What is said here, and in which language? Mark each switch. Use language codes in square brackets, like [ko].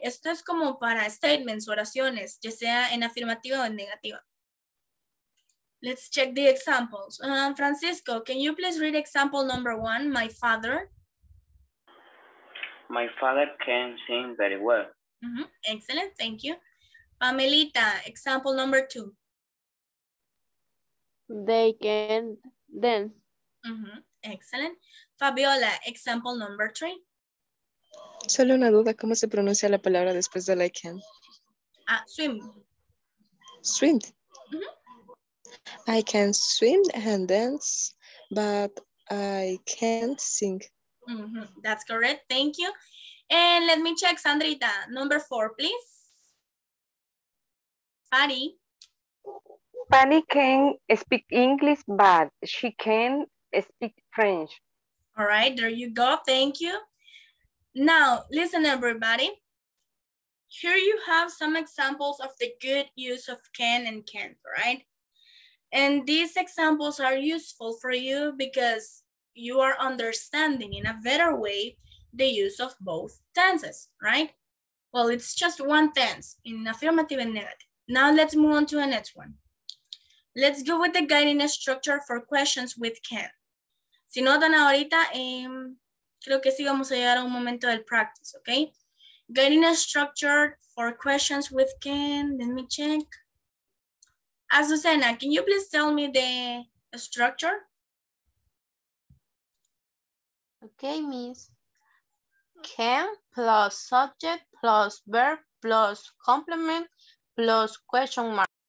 [es] Esto es como para statements, oraciones, ya sea en afirmativa o en negativa. [en] Let's check the examples. Francisco, can you please read example number one, my father? My father can sing very well. Mm-hmm. Excellent, thank you. Pamelita, example number two. They can dance. Mm-hmm. Excellent. Fabiola, example number three. [es] Solo una duda, ¿cómo se pronuncia la palabra después de [en] I can? Ah, swim. Swim. Mm-hmm. I can swim and dance, but I can't sing. Mm-hmm. That's correct, thank you. And let me check, Sandrita, number four, please. Patty. Patty can speak English, but she can speak French. All right, there you go, thank you. Now, listen, everybody. Here you have some examples of the good use of can and can't, right? And these examples are useful for you because you are understanding in a better way the use of both tenses, right? Well, it's just one tense in affirmative and negative. Now let's move on to the next one. Let's go with the guiding structure for questions with can. [es] Si notan ahorita, creo que sí vamos a llegar a un momento del practice, okay? [en] Guiding structure for questions with can, let me check. Azucena, can you please tell me the structure? Okay, miss. Can plus subject plus verb plus complement plus question mark.